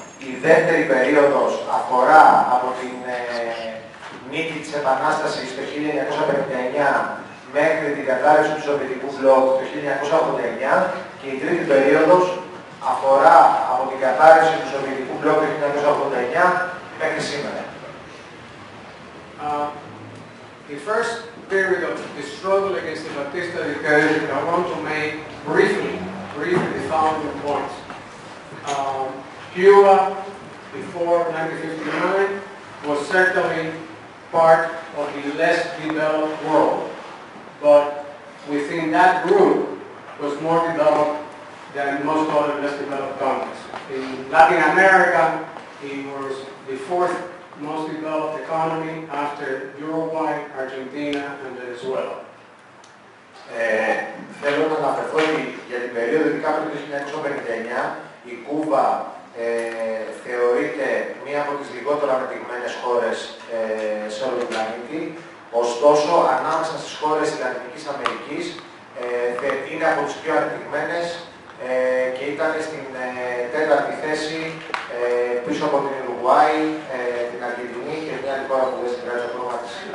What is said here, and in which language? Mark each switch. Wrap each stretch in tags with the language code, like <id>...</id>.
<el>Η δεύτερη περίοδος αφορά από την νίκη της Επανάστασης το 1959 μέχρι την κατάρρευση του Σοβιετικού Μπλοκ το 1989 και η τρίτη περίοδος αφορά από την κατάρρευση του Σοβιετικού Μπλοκ το 1989 μέχρι σήμερα.</el> <en>The first period of the struggle against the Batista dictatorship, I want to make briefly the following points. Cuba, before 1959, was certainly part of the less developed world, but within that group was more developed than most other less developed countries. In Latin America, it was the fourth most developed economy after Uruguay, Argentina, and Venezuela.</en> <el>Θέλω να αναφερθώ για την περίοδο κάπου του 1959, η Κούβα θεωρείται μία από τις λιγότερο αναπτυγμένες χώρες σε όλο τον πλανήτη. Ωστόσο, ανάμεσα στις χώρες της Λατινικής Αμερικής, είναι από τις πιο αναπτυγμένες και ήταν στην τέταρτη θέση πίσω από την Ουρουγουάη, την Αργεντινή και μια άλλη χώρα που δεν συμπράζει ακόμα της</el>